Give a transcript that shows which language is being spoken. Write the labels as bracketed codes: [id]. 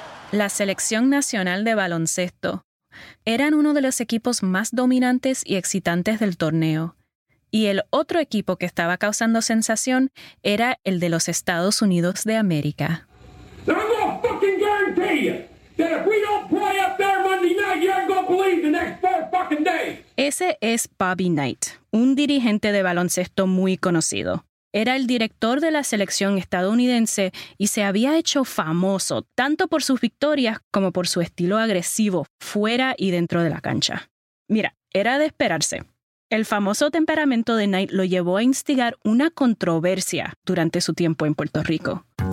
[es] La Selección Nacional de Baloncesto eran uno de los equipos más dominantes y excitantes del torneo. Y el otro equipo que estaba causando sensación era el de los Estados Unidos de América. [en] I'm going to fucking guarantee you that if we don't play up there Monday night, you ain't going to believe the next 4 fucking days. [es] Ese es Bobby Knight, un dirigente de baloncesto muy conocido. Era el director de la selección estadounidense y se había hecho famoso tanto por sus victorias como por su estilo agresivo fuera y dentro de la cancha. Mira, era de esperarse. El famoso temperamento de Knight lo llevó a instigar una controversia durante su tiempo en Puerto Rico.